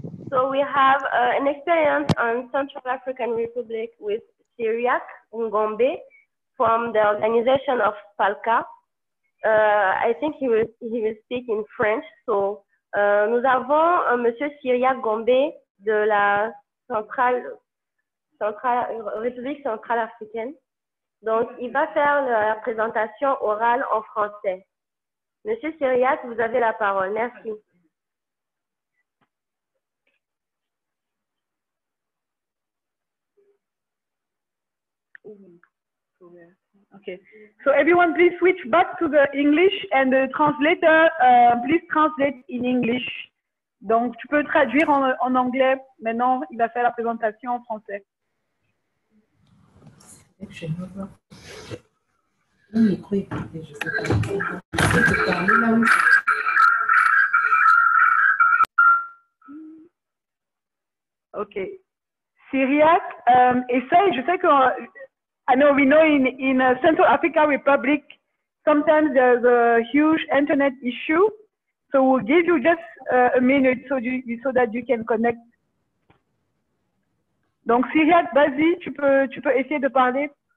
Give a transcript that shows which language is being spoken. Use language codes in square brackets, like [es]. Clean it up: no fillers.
[en] So we have an experience on Central African Republic with Syriac Ngombe from the organization of PALCA. I think he will speak in French. [fr] So nous avons Monsieur Syriac Ngombe de la République Centrale Africaine. Donc il va faire la présentation orale en français. Monsieur Syriac, vous avez la parole. Merci. [en] Okay, so everyone, please switch back to the English and the translator, please translate in English. [fr] Donc, tu peux traduire en anglais. Maintenant, il va faire la présentation en français. [en] Okay. [fr] Syriac, essaye, je sais que... [en] I know we know in Central African Republic, sometimes there's a huge internet issue. So we'll give you just a minute so that you can connect. [fr] Donc, Syriac, vas-y, tu peux essayer de parler.